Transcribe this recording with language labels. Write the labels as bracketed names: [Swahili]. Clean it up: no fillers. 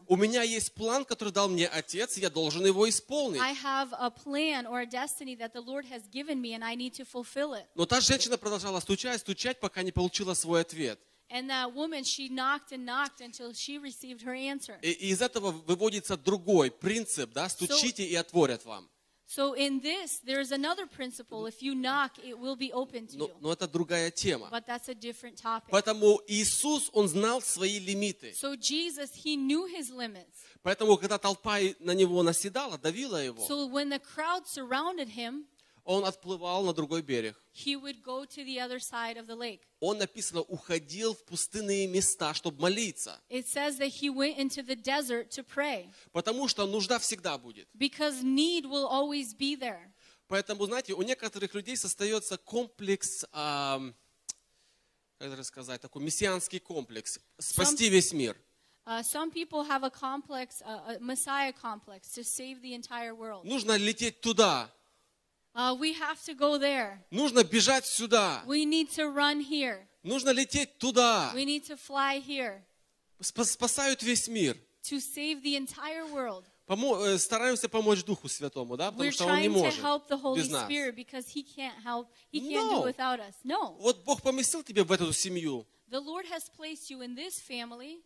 [Russian] У меня есть план, который дал мне Отец, я должен его исполнить. [English] I have a plan or a destiny that the Lord has given me and I need to fulfill it. [Russian] Но та женщина продолжала стучать, пока не получила свой ответ. [English] And that woman, she knocked and knocked until she received her answer. [Russian] И из этого выводится другой принцип, да, стучите и отворят вам. [English] So in this, there is another principle. If you knock, it will be open to you. [Russian] Но это другая тема. [English] But that's a different topic. [Russian] Поэтому Иисус, он знал свои лимиты. [English] So Jesus, he knew his limits. [Russian] Поэтому когда толпа на него наседала, давила его. [English] So when the crowd surrounded him, [Russian] он отплывал на другой берег. [English] He would go to the other side of the lake. [Russian] Он написано уходил в пустынные места, чтобы молиться. [English] It says that he went into the desert to pray. [Russian] Потому что нужда всегда будет. [English] Because need will always be there. [Russian] Поэтому знаете, у некоторых людей остается комплекс, как это сказать, такой мессианский комплекс, спасти весь мир. [English] Some people have a complex, a messiah complex, to save the entire world. [Russian] Нужно лететь туда. [English] We have to go there. [Russian] Нужно бежать сюда. [English] We need to run here. [Russian] Нужно лететь туда. [English] We need to fly here. [Russian] Спасают весь мир. [English] To save the entire world. [Russian] Стараемся помочь Духу Святому, да, потому что Он не может. [English] To help the Holy Spirit because He can't help. He can't do without us. No. [Russian] Вот Бог поместил тебя в эту семью. [English] The Lord has placed you in this family.